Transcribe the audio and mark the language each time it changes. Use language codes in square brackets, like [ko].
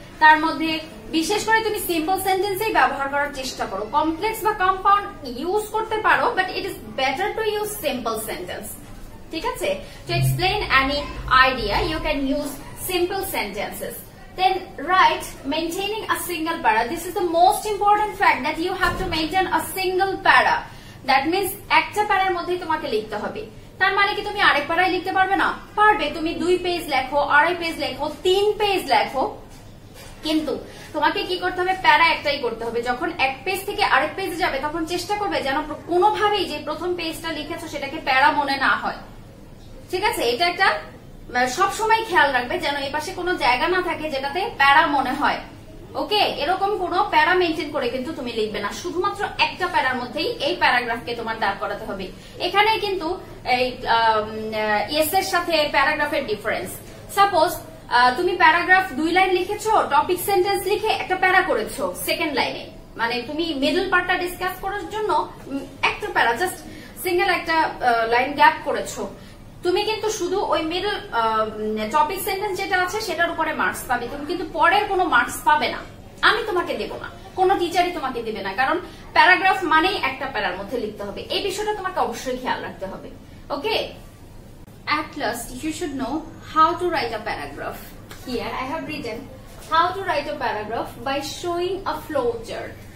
[bn] তার মধ্যে বিশেষ করে তুমি সিম্পল সেন্টেন্সেই ব্যবহার করার চেষ্টা করো। কমপ্লেক্স বা কম্পাউন্ড ইউজ করতে পারো, [en] But it is better to use simple sentence. [bn] ঠিক আছে, [en] To explain any idea you can use simple sentences. Then write maintaining a single para. This is the most important fact that you have to maintain a single para. That means [bn] ekta parar moddhe tomake likhte hobe. Tar mane ki tumi arek parai likhte parbe na? Parbe. Tumi dui page lekho, arai page lekho, tin page lekho, kintu তোমাকে কি করতে হবে? প্যারা একটাই করতে হবে। যখন এক পেজ থেকে আরেক পেজে যাবে তখন চেষ্টা করবে যেন কোনোভাবেই যে প্রথম পেজটা লিখেছো সেটাকে প্যারা মনে না হয়। ঠিক আছে, এটা একটা সবসময় খেয়াল রাখবে যেন এই পাশে কোনো জায়গা না থাকে যেটাতে প্যারা মনে হয়। ওকে, এরকম কোনো প্যারা মেনটেন করে কিন্তু তুমি লিখবে না, শুধুমাত্র একটা প্যারার মধ্যেই এই প্যারাগ্রাফকে তোমার দাঁড় করাতে হবে। এখানে কিন্তু এই এস এর সাথে প্যারাগ্রাফের ডিফারেন্স। সাপোজ তুমি প্যারাগ্রাফ দুই লাইন লিখেছো, টপিক সেন্টেন্স লিখে একটা প্যারা করেছো সেকেন্ড লাইনে, মানে তুমি মিডল পার্টটা ডিসকাস করার জন্য একটা প্যারা, জাস্ট সিঙ্গেল একটা লাইন গ্যাপ করেছো, তুমি কিন্তু শুধু ওই মিডল টপিক সেন্টেন্স যেটা আছে সেটার উপরে মার্কস পাবে। তুমি কিন্তু পরের কোনো মার্কস পাবে না, আমি তোমাকে দেবো না, কোন টিচারই তোমাকে দেবে না, কারণ প্যারাগ্রাফ মানেই একটা প্যারার মধ্যে লিখতে হবে। এই বিষয়টা তোমাকে অবশ্যই খেয়াল রাখতে হবে। [en] Okay, at last you should know how to write a paragraph. Here I have written how to write a paragraph by showing a flow chart.